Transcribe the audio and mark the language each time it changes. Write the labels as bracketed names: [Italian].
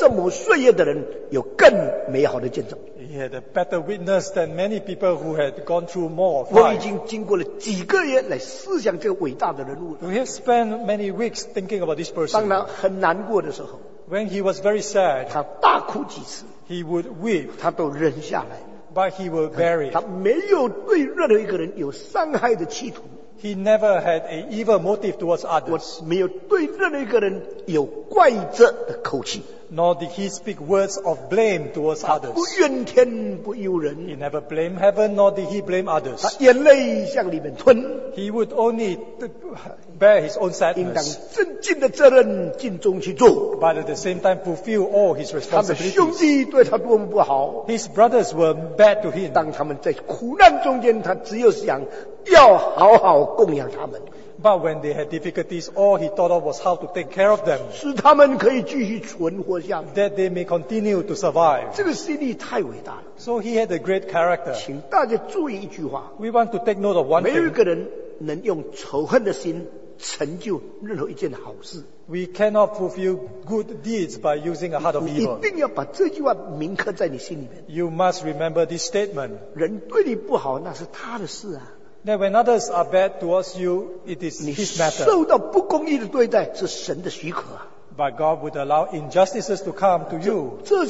[Chinese] 他比那些比他更多人生经验、更多这么岁月的人有更美好的见证。 [English] He had a better witness than many people who had gone through more of life. [Chinese] 我已经经过了几个月来思想这个伟大的人物了。 [English] We have spent many weeks thinking about this person. [Chinese] 当然很难过的时候。 [English] When he was very sad. [Chinese] 他大哭几次。 [English] He would weep. [Chinese] 他都忍下来, [English] but he would bear it. [Chinese] 他没有对任何一个人有伤害的企图。 [English] He never had an evil motive towards others. [Chinese] 没有对任何一个人有怪责的口气。 [English] Nor did he speak words of blame towards others. [Chinese] 不怨天不忧人。 [English] He never blamed heaven, nor did he blame others. [Chinese] 他眼泪向里面吞。 [English] He would only bear his own sadness. [Chinese] 应当尽的责任尽忠去做。 [English] But at the same time fulfill all his responsibilities. [Chinese] 他的兄弟对他多么不好。 [English] His brothers were bad to him. [Chinese] 当他们在苦难中间, 他只有想要好好供养他们。 [English] But when they had difficulties, all he thought of was how to take care of them. [Chinese] 使他们可以继续存活下去, [English] that they may continue to survive. [Chinese] 这个心意太伟大了。 [English] So he had a great character. [Chinese] 请大家注意一句话, [English] we want to take note of one [Chinese] 没有一个人能用仇恨的心成就任何一件好事。 [English] We cannot fulfill good deeds by using a heart of evil. [Chinese] 你一定要把这句话铭刻在你心里面。 [English] You must remember this statement. [Chinese] 人对你不好,那是他的事啊。 [English] That when others are bad towards you, it is his matter. [Chinese] 受到不公义的对待是神的许可啊。 [English] But God would allow injustices to come to you.